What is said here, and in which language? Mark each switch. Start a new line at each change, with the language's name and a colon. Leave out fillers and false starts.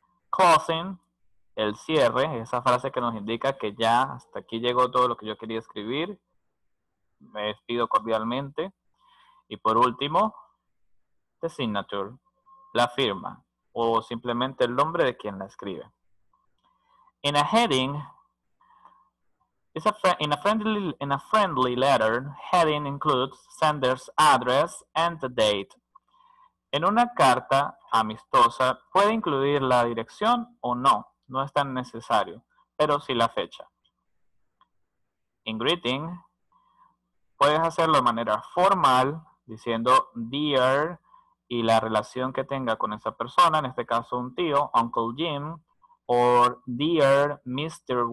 Spanish: Closing, el cierre, esa frase que nos indica que ya hasta aquí llegó todo lo que yo quería escribir. Me despido cordialmente. Y por último, the signature, la firma, o simplemente el nombre de quien la escribe.
English: In a heading, in a friendly letter, heading includes sender's address and the date.
Spanish: En una carta amistosa, puede incluir la dirección o no, no es tan necesario, pero sí la fecha. In greeting, puedes hacerlo de manera formal, diciendo dear y la relación que tenga con esa persona, en este caso un tío, Uncle Jim, o dear Mr.